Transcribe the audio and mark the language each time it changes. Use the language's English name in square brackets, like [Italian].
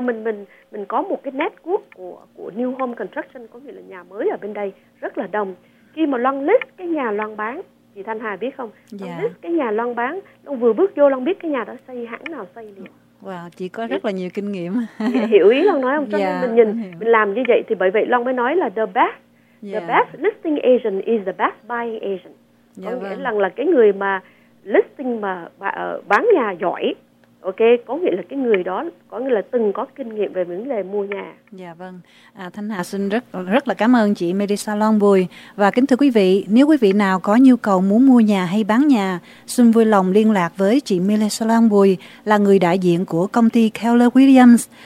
[Vietnamese] Mình có một cái network của New Home Construction, có nghĩa là nhà mới ở bên đây rất là đông. Khi mà Loan list cái nhà Loan bán, chị Thanh Hà biết không? List cái nhà Loan bán, Loan vừa bước vô Loan biết cái nhà đó xây hãng nào xây liền. Chị có rất là nhiều kinh nghiệm. Hiểu ý Loan nói không? Cho nên mình nhìn, mình làm như vậy thì bởi vậy Loan mới nói là the best. [English] The best listing agent is the best buying agent. [Vietnamese] Có nghĩa là cái người mà listing mà bán nhà giỏi. Ok, có nghĩa là cái người đó có nghĩa là từng có kinh nghiệm về vấn đề mua nhà. Thanh Hà xin rất là cảm ơn chị Mary Salon Bùi. Và kính thưa quý vị, nếu quý vị nào có nhu cầu muốn mua nhà hay bán nhà, xin vui lòng liên lạc với chị Mary Salon Bùi, là người đại diện của công ty Keller Williams.